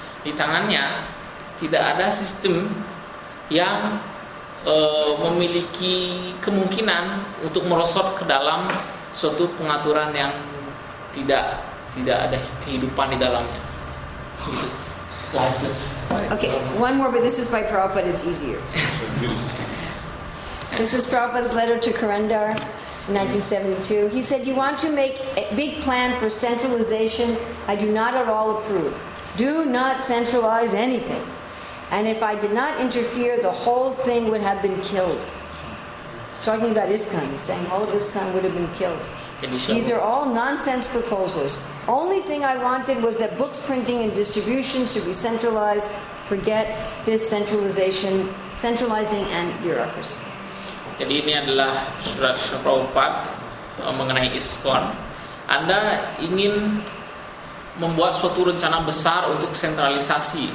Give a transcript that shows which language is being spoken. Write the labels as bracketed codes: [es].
[id] Di tangannya tidak ada sistem yang memiliki kemungkinan untuk merosot ke dalam suatu pengaturan yang tidak ada kehidupan di dalamnya. [en] Lifeless. Okay, one more, but this is by Prabhupada. It's easier. This is Prabhupada's letter to Kurandar in 1972. He said, "You want to make a big plan for centralization? I do not at all approve. Do not centralize anything. And if I did not interfere, the whole thing would have been killed." He's talking about ISKCON. He's saying all of ISKCON would have been killed. These are all nonsense proposals. Only thing I wanted was that books printing and distribution should be centralized. Forget this centralization, centralizing and bureaucracy. [id] Jadi ini adalah surat Prabhupad mengenai ISKCON. Anda ingin membuat suatu rencana besar untuk sentralisasi.